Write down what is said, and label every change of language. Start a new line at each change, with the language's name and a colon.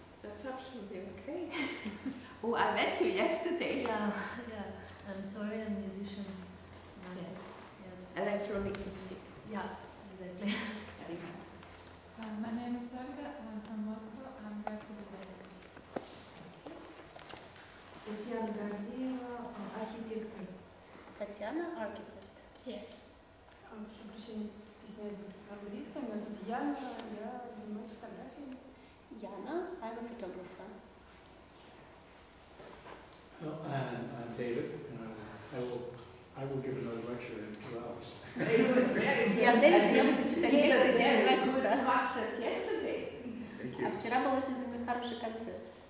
English: That's absolutely okay. Oh, I met you yesterday. Yeah. I'm Tori, a musician. And yes. Yeah. Electronic music. Yeah, exactly. My name is Olga, I'm from Moscow, I'm here for the day.
Russian: Татьяна Гордеева, архитектор. Татьяна, архитект.
English: Yes.
Russian: Прошу прощения, стесняюсь быть английского. Меня зовут Яна, я занимаюсь фотографиями.
English: Яна, I'm a photographer. I'm David, and I will give another lecture in 2 hours.
Russian: А вчера был очень хороший концерт.